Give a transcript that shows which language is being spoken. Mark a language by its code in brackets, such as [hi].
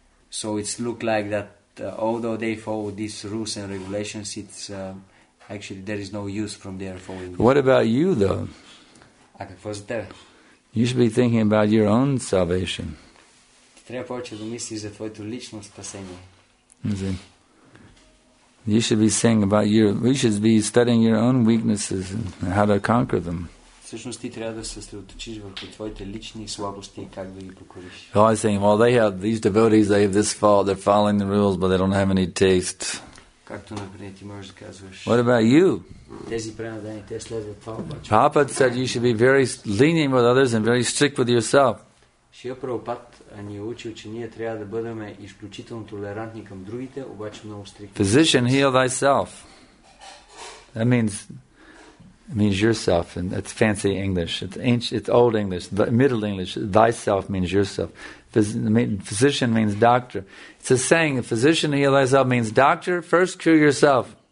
[en] So it's look like that although they follow these rules and regulations, it's actually there is no use from their following. What about you, though? [bg] А какво за тебе? [en] You should be thinking about your own salvation. [bg] Ти трябва повече да мислиш за твоето лично спасение. [en] You should be saying about your, we should be studying your own weaknesses and how to conquer them. [bg] Всъщност ти трябва да се съсредоточиш върху твоите лични слабости и как да ги покориш. [en] Oh, I'm saying, well, they have these devotees, they have this fault, they're following the rules, but they don't have any taste. [bg] Както например ти можеш да казваш. [en] What about you? [bg] Тези пренадени, те следват това обаче. [en] Prabhupada said you should be very lenient with others and very strict with yourself. [bg] Шрила Прабхупада ни е учил, че ние трябва да бъдем изключително толерантни към другите, обаче много стриктни. [en] Physician, heal thyself. That means, it means yourself, and that's fancy English. It's ancient, it's old English, the middle English. Thyself means yourself. Physician means doctor. It's a saying, a physician heal thyself means doctor, first cure yourself.